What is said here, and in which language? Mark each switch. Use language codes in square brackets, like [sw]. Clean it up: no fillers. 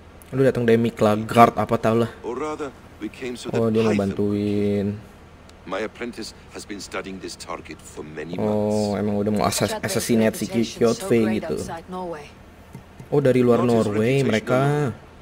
[id] Lu datang dari Miklagard apa tau lah. Oh, dia mau bantuin. [en] My apprentice has been studying this target for many months. [id] Oh, emang udah mau assassinate si Kjotve gitu. Oh, dari luar Norway mereka.